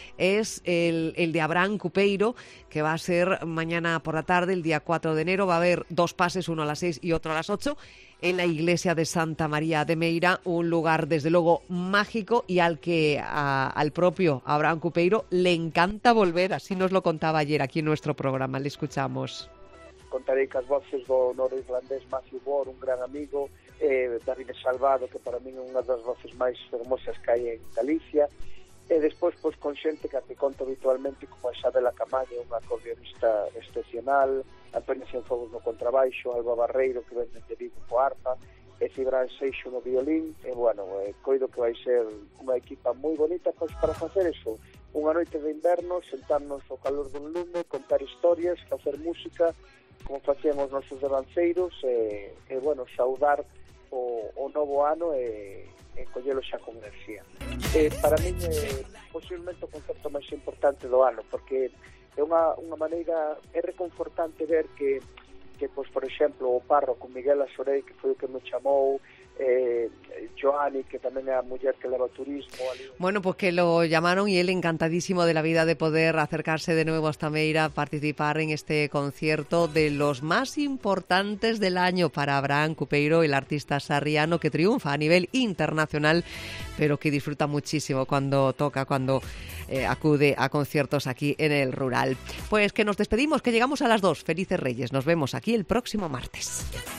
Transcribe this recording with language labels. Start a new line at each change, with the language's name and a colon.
Spanish: Es el de Abraham Cupeiro, que va a ser mañana por la tarde, el día 4 de enero. Va a haber dos pases, uno a las 6 y otro a las 8. En la iglesia de Santa María de Meira, un lugar desde luego mágico y al que al propio Abraham Cupeiro le encanta volver, así nos lo contaba ayer aquí en nuestro programa, le escuchamos.
Galician: Contaré que as voces do norirlandés Matthew Bor, un gran amigo, David Salvado, que para mí é unha das voces máis hermosas que hai en Galicia, e despois pues, con xente que a que conto habitualmente, como a Isabela Camaño, unha acordeonista excepcional, Antonio Cienfogos no contrabaixo, Alba Barreiro, que vende de Vigo co arpa, e Cibran Seixo no violín, e bueno, coido que vai ser unha equipa moi bonita pois, para facer eso. Unha noite de inverno, sentarnos ao calor dun lume, contar historias, facer música, como facían os nosos devanceiros, e bueno, saudar o novo ano e collelo xa con enerxía. Para mí é posiblemente o concerto máis importante do ano, porque é unha maneira, é reconfortante ver que pois, por exemplo, o párroco Miguel Asorei, que foi o que me chamou, Joani, que tamén é a muller que leva turismo.
Spanish: Bueno, pois que lo llamaron e ele encantadísimo de la vida de poder acercarse de novo hasta Meira a participar en este concierto de los máis importantes del año para Abraham Cupeiro, el artista sarriano que triunfa a nivel internacional, pero que disfruta muchísimo cuando toca, cuando acude a conciertos aquí en el rural. Pues que nos despedimos, que llegamos a las 2. Felices Reyes, nos vemos aquí el próximo martes.